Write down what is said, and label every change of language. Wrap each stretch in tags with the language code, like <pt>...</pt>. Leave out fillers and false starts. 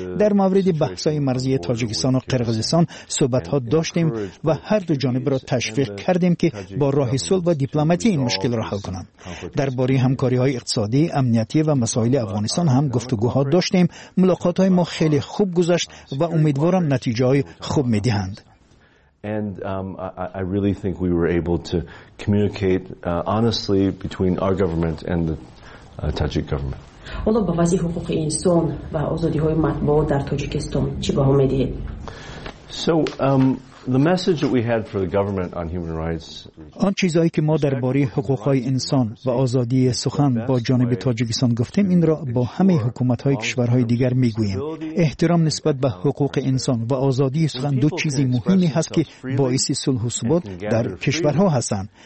<fa>در مورد بحث‌های مرزی تاجیکستان و قرغیزستان صحبت‌ها داشتیم و هر دو جانب را تشویق کردیم که با راه صلح و دیپلماتی این مشکل را حل کنند. درباره همکاری‌های اقتصادی، امنیتی و مسائل افغانستان هم گفتگوها داشتیم. ملاقات‌های ما خیلی خوب گذشت و امیدوارم نتایج خوب می‌دهند.</fa> <en>And I really think we were able to communicate honestly between our government and the Tajik government.</en> <tg>Ola ba vazi huquq inson va azadi-hoye matbuot dar Tojikiston chi baho medihed?</tg> <en>The message that we had for the government on human rights.</en> <fa>آن چیزایی که ما درباره حقوق‌های انسان و آزادی سخن با جانب تاجیکستان گفتیم این را با همه حکومت‌های کشورهای دیگر می‌گوییم. احترام نسبت به حقوق انسان و آزادی سخن دو چیزی مهمی هست که باعث صلح و ثبات در کشورها هستند.</fa>